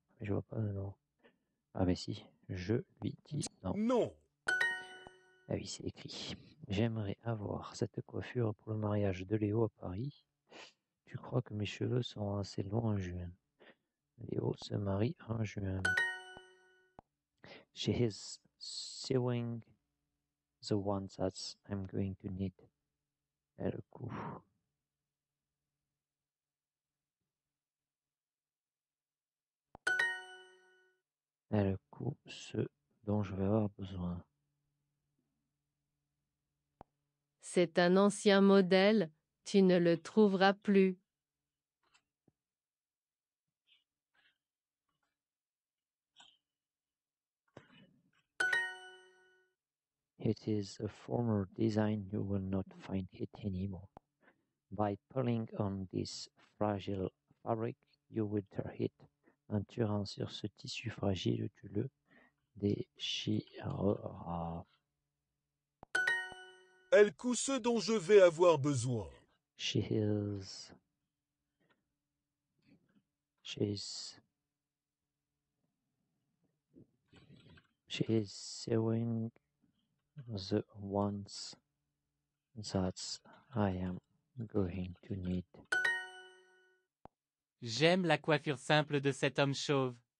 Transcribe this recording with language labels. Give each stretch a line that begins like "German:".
French: Mais je vois pas de non. Ah, mais si. Je lui dis non. Non. Ah oui, c'est écrit. J'aimerais avoir cette coiffure pour le mariage de Léo à Paris. Tu crois que mes cheveux sont assez longs en juin? Léo se marie en juin.
English: She is sewing the ones that I'm going to need.
French: Elle couvre. Elle coud ce dont je vais avoir besoin. C'est un ancien modèle, tu ne le trouveras plus.
English: It is a former design, you will not find it anymore. By pulling on this fragile fabric, you will tear it.
French: En tirant sur ce tissu fragile, tu le déchireras. Elle coud ce dont je vais avoir besoin.
English: She is sewing the ones that I am going to need.
French: J'aime la coiffure simple de cet homme chauve.